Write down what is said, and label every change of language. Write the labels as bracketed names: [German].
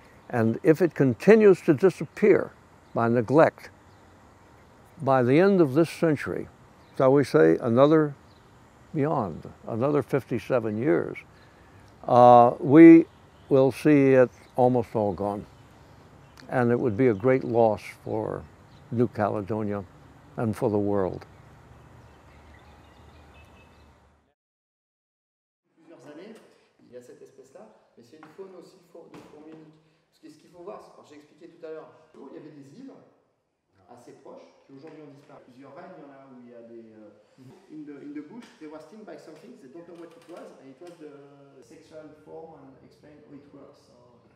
[English] And if it continues to disappear by neglect, by the end of this century, shall we say another beyond, another 57 years, we will see it almost all gone. And it would be a great loss for New Caledonia and for the world. [French] Plusieurs années, il y a cette espèce-là, mais c'est une faune aussi de fourmis. Ce qu'il faut voir, c'est, j'ai expliqué tout à l'heure, où il y avait des îles assez proches qui aujourd'hui ont disparu. Plusieurs vagues, il y en a où il y a des. [English] In the bush, they were stung by something, they don't know what it was, and it was the sexual form and explain how it works.